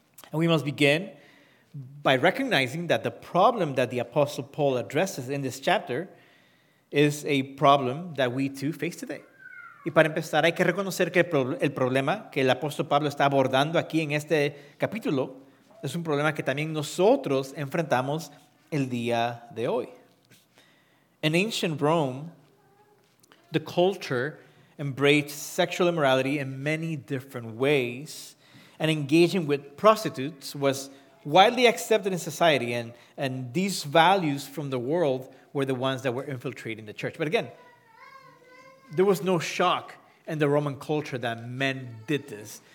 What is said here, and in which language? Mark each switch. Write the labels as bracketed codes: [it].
[en] And we must begin by recognizing that the problem that the Apostle Paul addresses in this chapter is a problem that we too face today. [es] Y para empezar, hay que reconocer que el problema que el apóstol Pablo está abordando aquí en este capítulo es un problema que también nosotros enfrentamos el día de hoy. [en] In ancient Rome, the culture embraced sexual immorality in many different ways, and engaging with prostitutes was widely accepted in society, and these values from the world were the ones that were infiltrating the church. But again, there was no shock in the Roman culture that men did this.